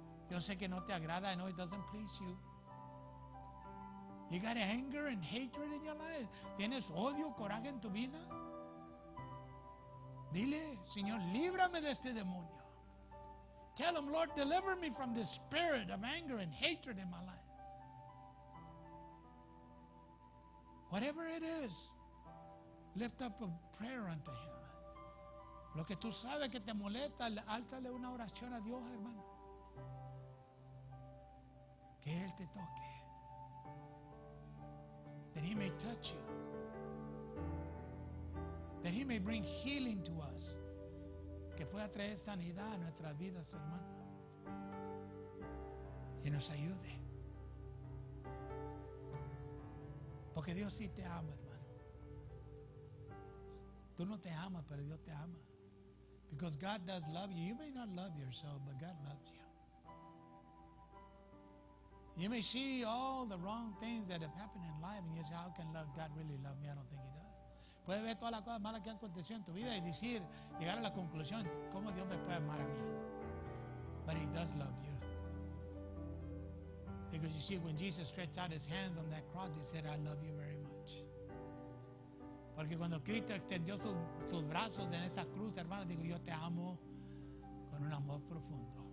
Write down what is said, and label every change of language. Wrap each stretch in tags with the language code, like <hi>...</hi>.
<es>Yo sé que no te agrada.</es> <en>I know it doesn't please you. You got anger and hatred in your life?</en> <es>¿Tienes odio, coraje en tu vida? Dile, Señor, líbrame de este demonio.</es> <en>Tell Him, Lord, deliver me from this spirit of anger and hatred in my life. Whatever it is, lift up a prayer unto Him.</en> <es>Lo que tú sabes que te molesta, álzale una oración a Dios, hermano. Que Él te toque.</es> <en>That He may touch you. That He may bring healing to us.</en> <es>Que pueda traer sanidad a nuestras vidas, hermano. Y nos ayude. Porque Dios sí te ama, hermano. Tú no te amas, pero Dios te ama.</es> <en>Because God does love you. You may not love yourself, but God loves you. You may see all the wrong things that have happened in life and you say, how can God really love me? I don't think He does.</en> <es>Puede ver todas las cosas malas que han acontecido en tu vida y decir, llegar a la conclusión, ¿cómo Dios me puede amar a mí?</es> <en>But He does love you. Because you see, when Jesus stretched out His hands on that cross, He said, I love you very much.</en> <es>Porque cuando Cristo extendió sus brazos en esa cruz, hermano, dijo, yo te amo con un amor profundo.</es>